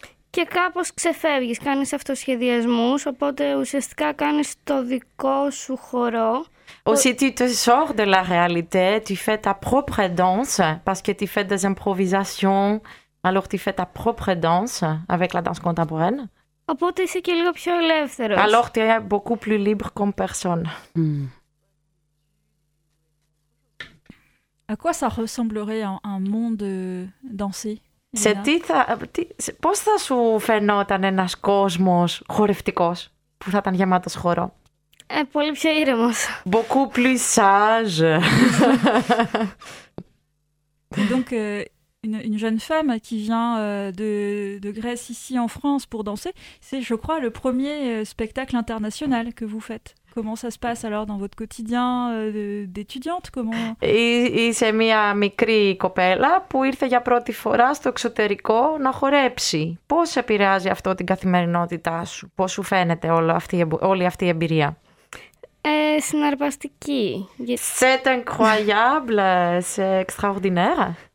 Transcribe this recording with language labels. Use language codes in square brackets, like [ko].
[el] Και κάπως ξεφεύγεις, κάνεις αυτοσχεδιασμούς, οπότε ουσιαστικά κάνεις το δικό σου χορό. [fr] Aussi tu te sors de la réalité, tu fais ta propre danse parce que tu fais des improvisations, alors tu fais ta propre danse avec la danse contemporaine. [el] Οπότε είσαι και λίγο πιο ελεύθερος. [fr] Alors tu es beaucoup plus libre comme personne. À quoi ça ressemblerait un monde dansé? C'est tu ça [el] πώς θα σου φαινόταν ένας κόσμος χορευτικός που θα ήταν γεμάτος χορό? Πολύ πιο ήρεμος. [fr] Beaucoup plus sage. Donc une jeune femme qui vient de Grèce ici en France pour danser, c'est je crois le premier spectacle international que vous faites. Comment ça se passe alors dans votre quotidien d'étudiante? Comment? [el] Είσαι μια μικρή κοπέλα που ήρθε για πρώτη φορά στο εξωτερικό να χορέψει. Πώς επηρεάζει αυτό την καθημερινότητά σου? Πώς σου φαίνεται όλη αυτή η εμπειρία? Συναρπαστική. [fr] C'est incroyable, c'est extraordinaire.